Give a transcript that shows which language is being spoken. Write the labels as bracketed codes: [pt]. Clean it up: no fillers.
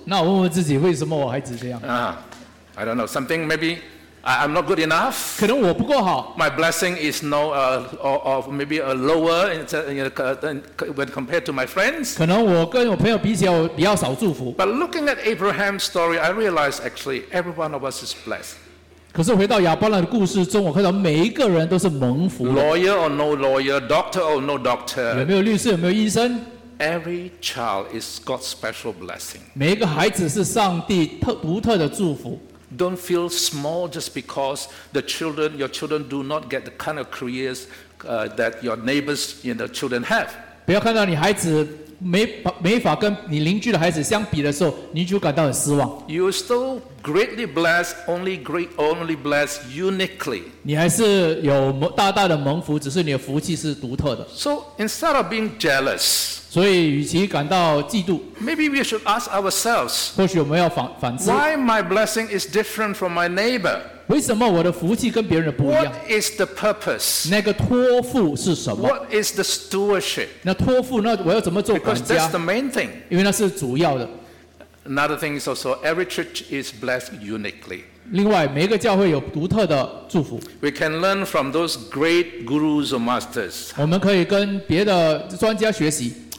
[zh] 那我问问自己，为什么我孩子这样？ [en] I don't know. Something maybe. I'm not good enough. [zh] 可能我不够好。 [en] My blessing is no, or maybe a lower when compared to my friends. [zh] 可能我跟我朋友比起来，我比较少祝福。 [en] But looking at Abraham's story, I realize actually every one of us is blessed. [zh] 可是回到亚伯拉的故事中，我看到每一个人都是蒙福的。 [en] Lawyer or no lawyer, doctor or no doctor. [zh] 有没有律师？有没有医生？ [en] Every child is God's special blessing. [zh] 每一个孩子是上帝独特的祝福。 [en] Don't feel small just because the children, your children do not get the kind of careers that your neighbors, you know, children have. [zh] 不要看到你孩子没法跟你邻居的孩子相比的时候，你就感到很失望。 [en] You are still greatly blessed, only blessed uniquely. [zh] 你还是有大大的蒙福，只是你的福气是独特的。 [en] So instead of being jealous, [zh] 所以与其感到嫉妒 [en] ，maybe we should ask ourselves, [zh] 或许我们要反思 [en] ，why my blessing is different from my neighbor. [zh] 为什么我的福气跟别人的不一样 [en] ？What is the purpose? [zh] 那个托付是什么 [en] ？What is the stewardship? [zh] 那托付那我要怎么做管家 [en] ？Because that's the main thing. [zh] 因为那是主要的。 [en] Another thing is also every church is blessed uniquely. [zh] 另外，每一个教会有独特的祝福。 [en] We can learn from those great gurus or masters. [zh] 我们可以跟别的专家学习。